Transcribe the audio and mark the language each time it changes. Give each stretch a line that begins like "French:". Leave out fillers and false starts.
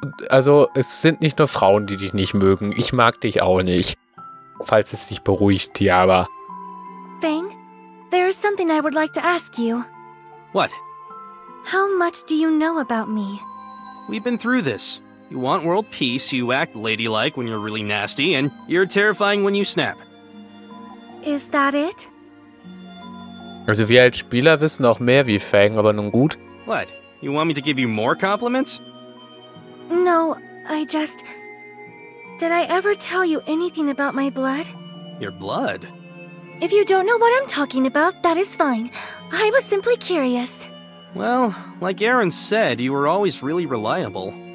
German: Also, es sind nicht nur Frauen, die dich nicht mögen. Ich mag dich auch nicht. Falls es dich beruhigt, Tiaba.
English: Fang, there is something I would like to ask you. What? How much do you know about me? We've been through this. You want world peace, you act ladylike when you're really nasty, and you're terrifying when you snap. Is that it?
German: Also wir als Spieler wissen auch mehr wie Fang, aber nun gut.
English: What? You want me to give you more compliments? No, I just... Did I ever tell you anything about my blood? Your blood? If you don't know what I'm talking about, that is fine. I was simply curious. Well, like Erin said, you were always really reliable.